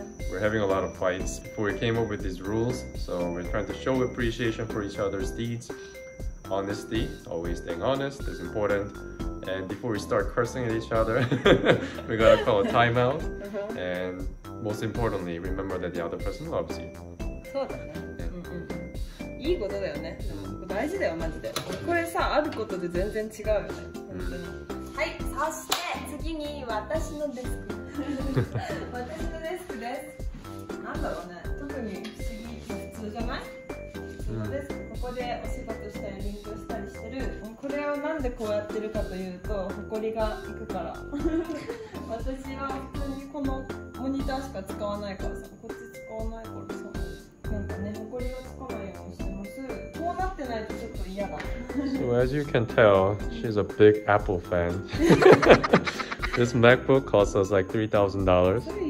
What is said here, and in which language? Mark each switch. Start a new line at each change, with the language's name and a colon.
English: We're having a lot of fights before we came up with these rules, so we're trying to show appreciation for each other's deeds. Honesty, always staying honest is important. And before we start cursing at each other, we gotta call a timeout. And most importantly, remember that the other person loves you.
Japanese: そうだね。いいことだよね。大事だよ、マジで。これさ、あることで全然違うよね。はい、そして次に私のデスク。私のデスクです。なんだろうね。特に不思議、普通じゃない？このデスク。ここでお仕事したり勉強したりしてる。これはなんでこうやってるかというと、ホコリがいくから。私は普通にこのモニターしか使わないからさ、こっち使わないからさ、なんかね、ホコリがつかないようにしてます。こうなってないとちょっと嫌だ。
English: So as you can tell, she's a big Apple fan. This MacBook costs us like $3,000.